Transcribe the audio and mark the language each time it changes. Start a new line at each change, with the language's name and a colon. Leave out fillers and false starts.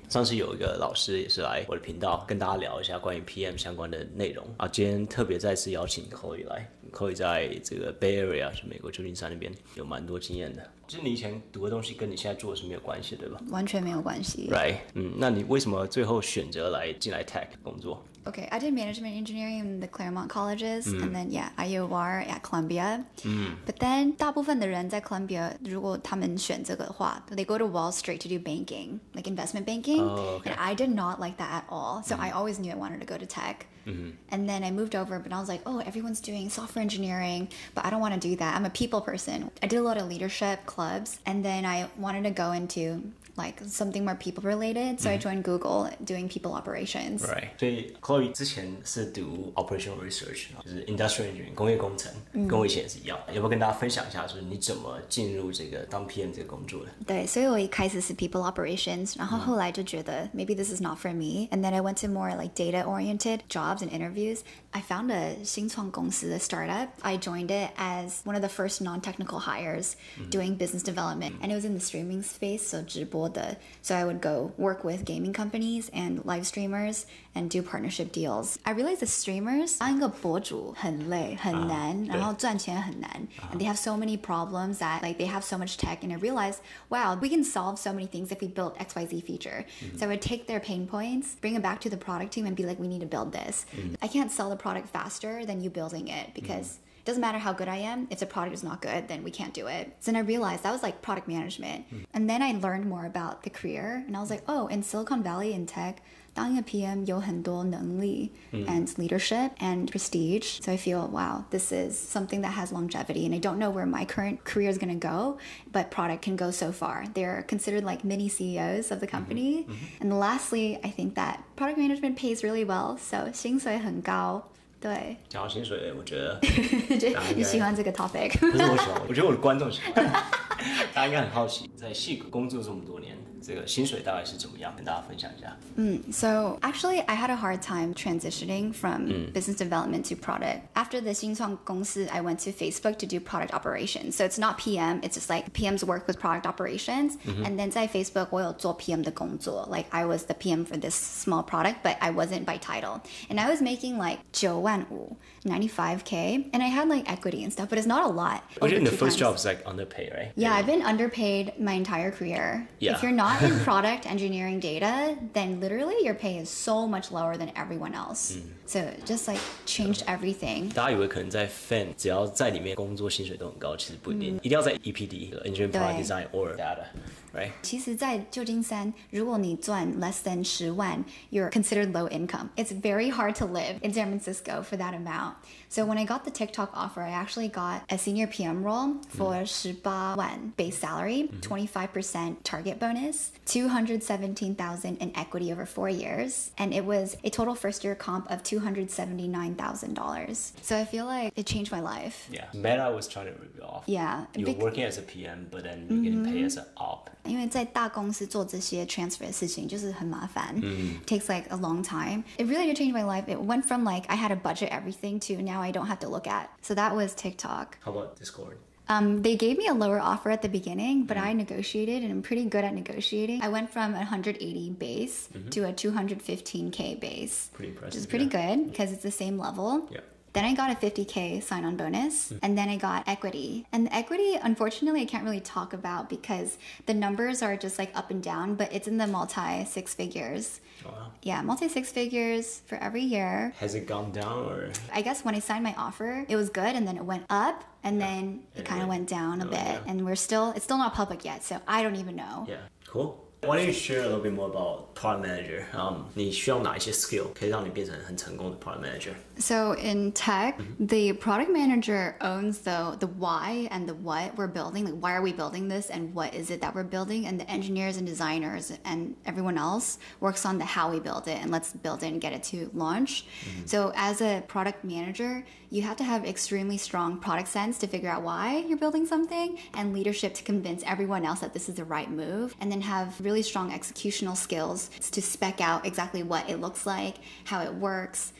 Chinese: 上次有一个老师也是来我的频道，跟大家聊一下关于 PM 相关的内容啊。今天特别再次邀请 Chloe 来，Chloe 在这个 Bay Area，是美国旧金山那边，有蛮多经验的。就是你以前读的东西跟你现在做的是没有关系，对吧？完全没有关系。 Right，那你为什么最后选择来进来 Tech 工作？
English: Okay, I did management engineering in the Claremont Colleges, and then, yeah, IUR at Columbia. But then,
Chinese: 大部分的人在 Columbia, 如果他们选这个的话,
English: they go to Wall Street to do banking, like investment banking. Oh, okay. And I did not like that at all. So I always knew I wanted to go to tech. And then I moved over, but I was like, oh, everyone's doing software engineering, but I don't want to do that. I'm a people person. I did a lot of leadership clubs, and then I wanted to go into... like something more people related, so I joined Google doing people operations. Right.
Chinese: 所以 Chloe 之前是读 operational research, 就是 industrial engineering, 工业工程，跟我以前也是一样。要不要跟大家分享一下，就是你怎么进入这个当 PM 这个工作的？对，所以我一开始是
English: people operations,
Chinese: 然后后来就觉得
English: maybe this is not for me, and then I went to more like data oriented jobs and interviews. I found a 新创公司 a startup. I joined it as one of the first non-technical hires doing business development, and it was in the streaming space, so 直播。 So I would go work with gaming companies and live streamers and do partnership deals. I realized the streamers,
Chinese: 当一个博主很累很难，然后赚钱很难。
English: And they have so many problems that like they have so much tech. And I realized, wow, we can solve so many things if we build XYZ feature. So I would take their pain points, bring it back to the product team and be like, we need to build this. I can't sell the product faster than you building it because... Doesn't matter how good I am, if the product is not good, then we can't do it. So then I realized that was like product management. And then I learned more about the career, and I was like, oh, in Silicon Valley, in tech,
Chinese: 当一个 PM 有很多能力
English: and leadership and prestige. So I feel, wow, this is something that has longevity, and I don't know where my current career is going to go, but product can go so far. They're considered like mini CEOs of the company. And lastly, I think that product management pays really well, so
Chinese: 薪水很高。对，讲到薪水，我觉得你喜欢这个 topic，不是我喜欢，我觉得我的观众喜欢，大家应该很好奇，在矽谷工作这么多年，这个薪水大概是怎么样，跟大家分享一下。
English: So actually I had a hard time transitioning from business development to product. After the 新创公司 I went to Facebook to do product operations. So it's not PM, it's just like PM's work with product operations. And then
Chinese: 在 Facebook 我有做 PM 的工作
English: like I was the PM for this small product, but I wasn't by title. And I was making like 95K, and I had like equity and stuff, but it's not a lot. I think the first job is like underpaid, right? Yeah, I've been underpaid my entire career. Yeah. If you're not in product engineering data, then literally your pay is so much lower than everyone else. So just like changed everything.
Chinese: 大家以为可能在 Fan 只要在里面工作薪水都很高，其实不一定，一定要在 EPD
English: engineering product design or data. Right.
Chinese: 其实在旧金山如果你赚
English: less than 10万 you're considered low income. It's very hard to live in San Francisco for that amount. So when I got the TikTok offer, I actually got a senior PM role for 18万 base salary, 25% target bonus, 217,000 in equity over 4 years, and it was a total first year comp of $279,000. So I feel like it changed my life. Yeah, Meta was trying to rip you off. Yeah. You're working as a PM, but then you're getting paid as an op.
Chinese: 因为在大公司做这些 transfer 的事情就是很麻烦、
English: takes like a long time. It really did change my life. It went from like I had to budget everything to now I don't have to look at. So that was TikTok. How about Discord? They gave me a lower offer at the beginning, but I negotiated, and I'm pretty good at negotiating. I went from 180 base to a 215K base. Pretty impressive. Which is pretty good because it's the same level. Yeah. Then I got a 50K sign-on bonus, and then I got equity. And the equity, unfortunately, I can't really talk about because the numbers are just like up and down, but it's in the multi-six figures. Wow. Yeah, multi-six figures for every year. Has it gone down or? I guess when I signed my offer, it was good, and then it went up, and then it kind of went down a bit. Yeah. And we're still, it's still not public yet, so I don't even know. Yeah, cool. Why don't you share a little bit more about product manager?
Chinese: 你需要哪一些 skill 可以让你变成很成功的 product manager?
English: So in tech, the product manager owns the why and the what we're building. Like, why are we building this and what is it that we're building? And the engineers and designers and everyone else works on the how we build it and let's build it and get it to launch. Mm-hmm. So as a product manager, you have to have extremely strong product sense to figure out why you're building something and leadership to convince everyone else that this is the right move and then have really strong executional skills to spec out exactly what it looks like, how it works.